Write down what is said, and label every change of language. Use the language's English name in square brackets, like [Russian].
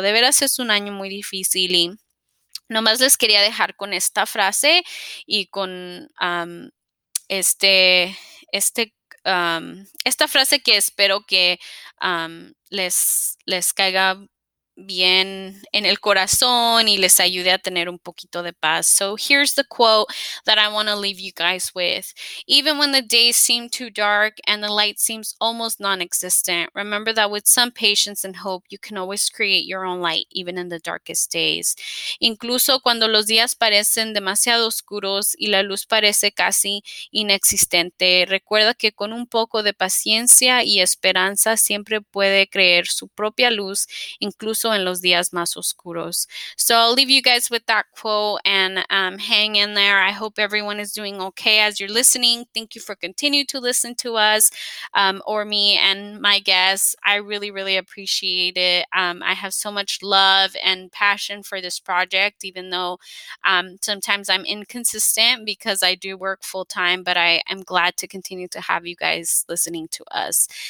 [Spanish] De veras es un año muy difícil, y nomás les quería dejar con esta frase y con esta frase que espero que les caiga bien en el corazón y les ayude a tener un poquito de paz. [English] So here's the quote that I want to leave you guys with. Even when the days seem too dark and the light seems almost non-existent, remember that with some patience and hope, you can always create your own light, even in the darkest days. [Spanish] Incluso cuando los días parecen demasiado oscuros y la luz parece casi inexistente, recuerda que con un poco de paciencia y esperanza siempre puede crear su propia luz, incluso en los días más oscuros. [English] So I'll leave you guys with that quote and hang in there. I hope everyone is doing okay as you're listening. Thank you for continuing to listen to us, or me and my guests. I really, really appreciate it. I have so much love and passion for this project, even though sometimes I'm inconsistent because I do work full time, but I am glad to continue to have you guys listening to us.